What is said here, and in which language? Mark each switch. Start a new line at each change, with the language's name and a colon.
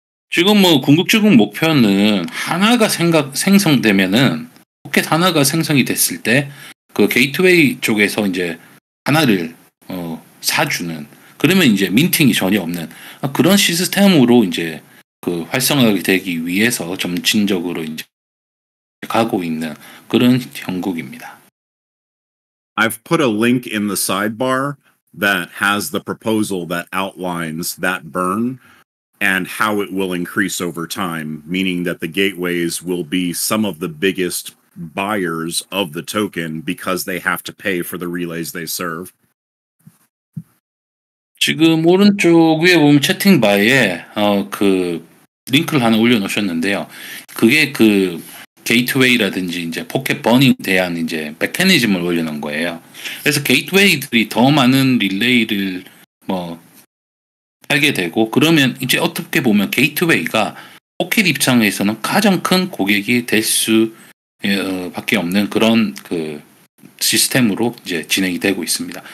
Korean: 지금 뭐 궁극적인 목표는 하나가 생성되면은 포켓 하나가 생성이 됐을 때 그 게이트웨이 쪽에서 이제 하나를 사주는 그러면 이제 민팅이 전혀 없는 그런 시스템으로 이제 그 활성화가 되기 위해서 점진적으로 이제 가고 있는 그런 형국입니다.
English: I've put a link in the sidebar that has the proposal that outlines that burn and how it will increase over time, meaning that the gateways will be some of the biggest buyers of the token because they have to pay for the relays they serve.
Korean: 지금 오른쪽 위에 보면 채팅바에 그 링크를 하나 올려 놓으셨는데요. 그게 그 게이트웨이라든지 이제 포켓 버닝에 대한 이제 메커니즘을 올려 놓은 거예요. 그래서 게이트웨이들이 더 많은 릴레이를 뭐 팔게 되고 그러면 이제 어떻게 보면 게이트웨이가 포켓 입장에서는 가장 큰 고객이 될 수 밖에 없는 그런 그 시스템으로 이제 진행이 되고 있습니다.